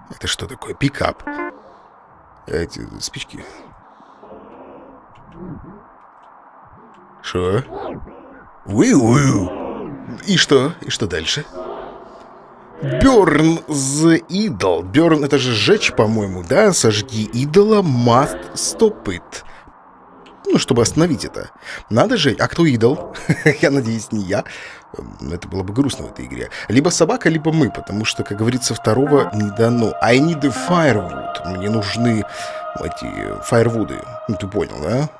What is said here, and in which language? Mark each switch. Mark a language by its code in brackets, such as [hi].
[ru] Это что такое? Пикап. Эти спички. Что? Уи-уи-у. И что? И что дальше? [en] Burn the idol. [ru] Burn — это же сжечь, по-моему, да? Сожги идола, [en] must stop it. [ru] Ну, чтобы остановить это. Надо же. А кто идол? Я надеюсь, не я. Это было бы грустно в этой игре. Либо собака, либо мы, потому что, как говорится, второго не дано. [en] I need the firewood. [ru] Мне нужны эти фаервуды. Ну, ты понял, да?